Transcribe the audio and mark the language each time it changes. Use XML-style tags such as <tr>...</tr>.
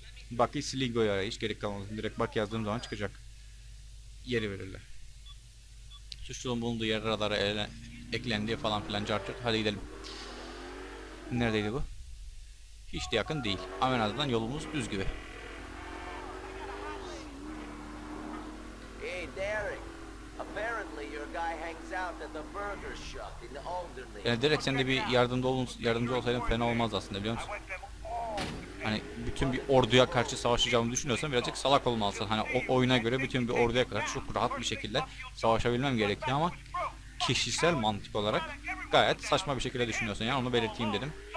<tr>Baki Sligo'yu ara, hiç gerek kalmaz. Direkt Baki yazdığım zaman çıkacak. Yeri verirler. Suçlunun bulunduğu yer radara eklendi falan filan çarptır. Hadi gidelim. Neredeydi bu? Hiç de yakın değil. Ama en azından yolumuz düz gibi.</tr> <en>Hey Derek. Apparently your guy hangs out at the burger shop in the Alderney.</en> <tr>Yani Derek, sen de bir yardımcı olsaydın fena olmaz aslında, biliyor musun? Hani bütün bir orduya karşı savaşacağımı düşünüyorsan birazcık salak olmalısın. Hani oyuna göre bütün bir orduya karşı çok rahat bir şekilde savaşabilmem gerekiyor ama kişisel mantık olarak gayet saçma bir şekilde düşünüyorsun. Yani onu belirteyim dedim.</tr>